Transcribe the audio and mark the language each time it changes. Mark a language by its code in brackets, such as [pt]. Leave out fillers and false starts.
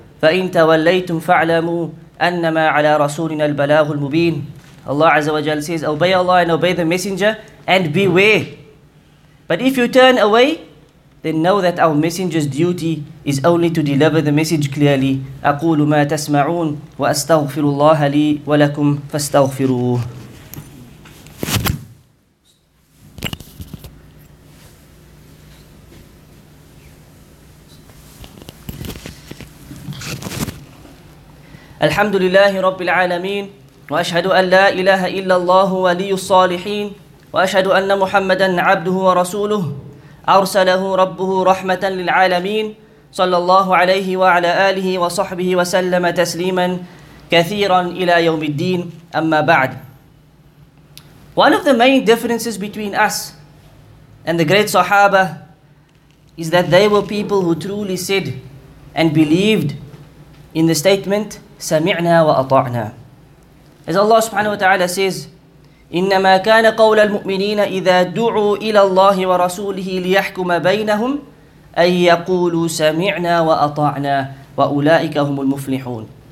[ar] فإن توليتم فاعلموا أنما على رسولنا البلاغ المبين. [en] Allah Azza wa Jal says, obey Allah and obey the Messenger and beware. But if you turn away, then know that our Messenger's duty is only to deliver the message clearly. [ar] أقول ما تسمعون وأستغفر الله لي ولكم فاستغفروه. الحمد لله رب العالمين وأشهد أن لا إله إلا الله ولي الصالحين وأشهد أن محمدا عبده ورسوله أرسله ربه رحمة للعالمين صلى الله عليه وعلى آله وصحبه وسلم تسليما كثيرا إلى يوم الدين أما بعد. [en] One of the main differences between us and the great Sahaba is that they were people who truly said and believed in the statement [ar] سَمِعْنَا وَأَطَعْنَا. [en] As Allah subhanahu wa ta'ala says, [ar] إِنَّمَا كَانَ قَوْلَ الْمُؤْمِنِينَ إِذَا دُعُوا إِلَى اللَّهِ وَرَسُولِهِ لِيَحْكُمَ بَيْنَهُمْ أَنْ يَقُولُوا سَمِعْنَا وَأَطَعْنَا وَأُولَٰئِكَ هُمُ الْمُفْلِحُونَ.